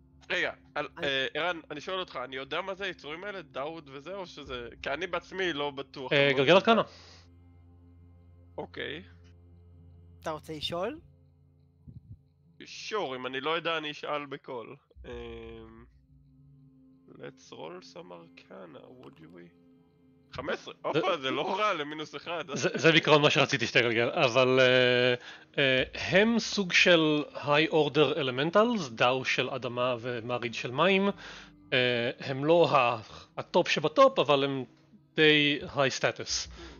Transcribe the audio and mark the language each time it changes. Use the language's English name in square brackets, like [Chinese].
[Hebrew] רגע, ערן, אני שואל אותך, אני יודע מה זה היצורים האלה, דאוד וזה, או שזה... כי אני בעצמי לא בטוח. גלגל ארקנה. אוקיי. אתה רוצה לשאול? שור, אם אני לא יודע אני אשאל בכל. [English] Let's roll some arcana, would you be? [Hebrew] 15, אופה, זה לא רע למינוס אחד. זה בעיקרון מה שרציתי שתי גלגל, אבל הם סוג של High Order Elementals, דאו של אדמה ומריד של מים. הם לא הטופ שבטופ, אבל הם די High Status.